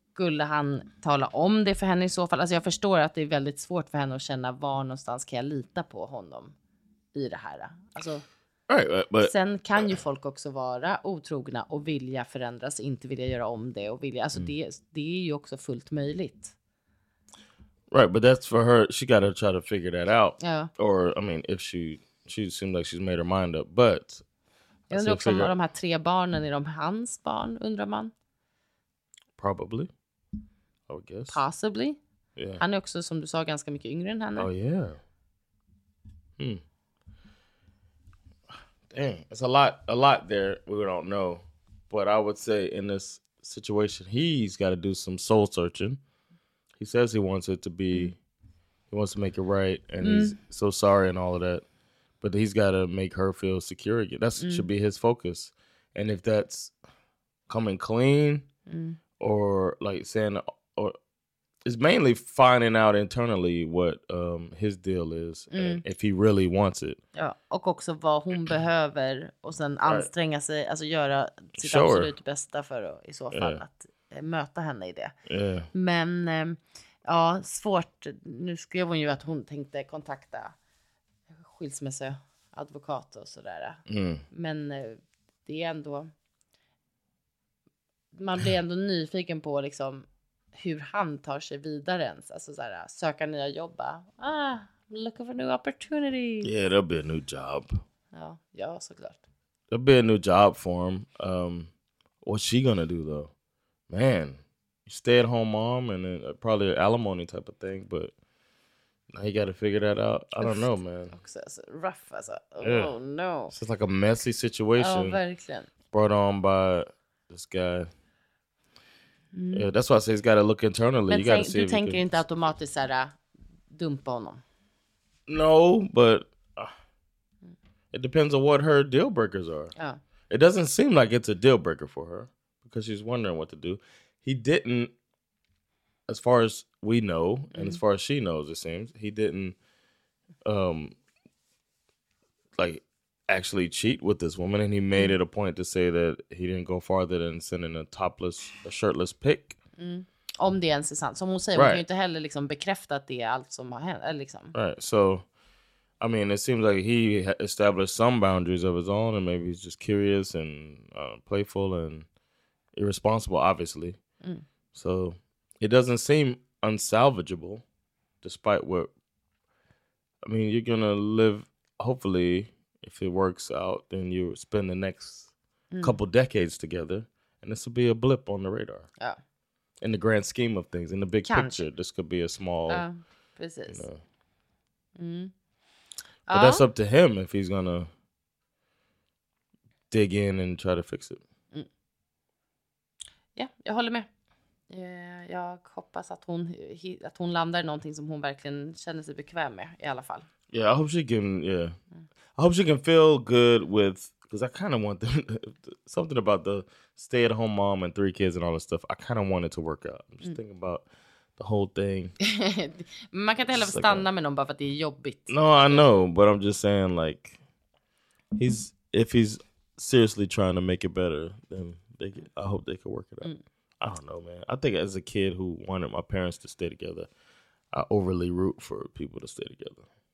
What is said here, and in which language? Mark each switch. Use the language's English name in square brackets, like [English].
[Swedish] skulle han tala om det för henne i så fall? Alltså jag förstår att det är väldigt svårt för henne att känna var någonstans kan jag lita på honom i det här. Alltså, sen kan ju folk också vara otrogna och vilja förändras, inte vilja göra om det och vilja. Alltså det är ju också fullt möjligt. [English] Right, but that's for her. She gotta try to figure that out. [Swedish] Ja. [English] Or I mean, if she seems like she's made her mind up, but [Swedish] jag undrar också om de här tre barnen, är de hans barn, undrar man? [English] Probably. I would guess. Possibly. Yeah. [Swedish] Han är också, som du sa, ganska mycket yngre än henne. [English] Oh, yeah. Hmm. Dang, it's a lot there we don't know. But I would say in this situation, he's got to do some soul searching. He says he wants it to be, he wants to make it right, and he's so sorry and all of that. But he's got to make her feel secure again. That should be his focus. And if that's coming clean or like saying, or it's mainly finding out internally what his deal is, if he really wants it. [Swedish] Ja, och också vad hon behöver och sen anstränga sig, alltså göra sitt absolut bästa för att, i så fall att möta henne i det. [English] Yeah. [Swedish] Men ja, svårt. Nu skrev hon ju att hon tänkte kontakta skilsmässoadvokat och sådär. Mm. Men det är ändå, man blir ändå nyfiken på liksom hur han tar sig vidare ens. Alltså sådär, söka nya jobb. [English] Ah, looking for a new opportunity. Yeah, there'll be a new job. [Swedish] Ja, ja, såklart. [English] There'll be a new job for him. What's she gonna do though? Man, stay at home mom and probably an alimony type of thing, but now you gotta figure that out. I don't know, man. Rough, [Swedish] alltså. [English] Yeah. Oh, no. It's just like a messy situation. [Swedish] Ja, verkligen. [English] Brought on by this guy. Yeah, that's why I say he's gotta look internally. [Swedish] Men [English] you gotta [Swedish] see, du tänker inte automatiskt såhär, dumpa honom? [English] No, but it depends on what her deal breakers are. [Swedish] Ja. [English] It doesn't seem like it's a deal breaker for her, because she's wondering what to do. He didn't, as far as we know, and as far as she knows, it seems, he didn't, like, actually cheat with this woman, and he made it a point to say that he didn't go farther than sending a shirtless pic. Mm. [Swedish] Om det ens är sant. Som hon säger, hon kan ju inte heller liksom bekräfta att det är allt som har hänt, liksom. [English] Right, so, I mean, it seems like he established some boundaries of his own, and maybe he's just curious and playful and irresponsible, obviously. So it doesn't seem unsalvageable, despite what, I mean, you're gonna live, hopefully if it works out, then you spend the next couple decades together, and this will be a blip on the radar. Yeah, in the grand scheme of things, in the big picture, this could be a small business. You know. But that's up to him if he's gonna dig in and try to fix it. [Swedish] Ja, jag håller med. Jag hoppas att hon landar i någonting som hon verkligen känner sig bekväm med i alla fall. [English] Yeah, I hope she can I hope she can feel good with, because I kind of want them, something about the stay at home mom and three kids and all this stuff. I kind of want it to work out. I'm just thinking about the whole thing. [Swedish] Man kan inte heller stanna med någon bara för att det är jobbigt. [English] No, I know, but I'm just saying, like, he's, if he's seriously trying to make it better, then I hope they could work it out. I don't know, man. I think as a kid who wanted my parents to stay together, I overly root for people to stay together.